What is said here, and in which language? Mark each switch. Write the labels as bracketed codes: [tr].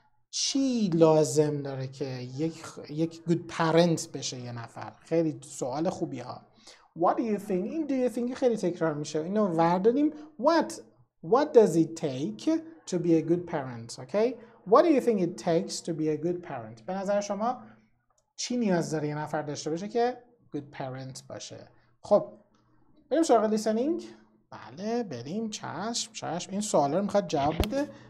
[fa] چی لازم داره که یک good parent بشه یه نفر؟ خیلی سوال خوبی ها. [en] Do you think [fa] خیلی تکرار میشه. اینو ورداریم. [en] What does it take to be a good parent? Okay? What do you think it takes to be a good parent? [fa] به نظر شما چی نیاز داره یه نفر داشته باشه که good parent باشه. خب بریم سراغ listening. بله بریم. چشم. این سوال رو میخواد جواب بده.